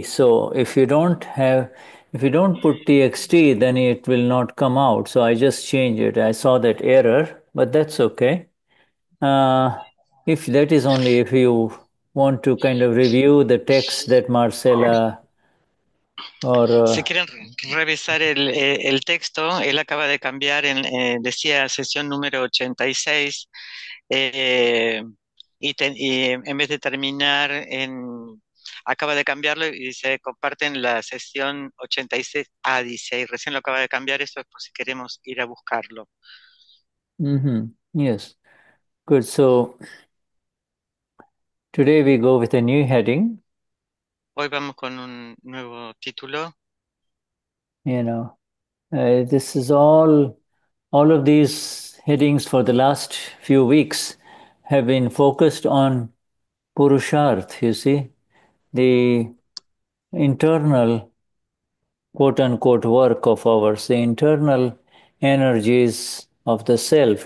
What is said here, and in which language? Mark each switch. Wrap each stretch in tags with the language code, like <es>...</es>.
<en>So if you don't put TXT, then it will not come out. So I just changed it. I saw that error, but that's okay. If that is only if you want to kind of review the text that Marcela or</en> <es>Si quieren revisar el texto, él acaba de cambiar decía sesión número 86, y en vez de terminar acaba de cambiarlo y se comparten la sesión 86A, dice, y recién lo acaba de cambiar, eso es por si queremos ir a buscarlo.</es> <en>Yes, good. So today we go with a new heading.</en> <es>Hoy vamos con un nuevo título.</es> <en>This is all of these headings for the last few weeks have been focused on Purushartha, you see, the internal, quote unquote, work of ours, the internal energies of the self.</en>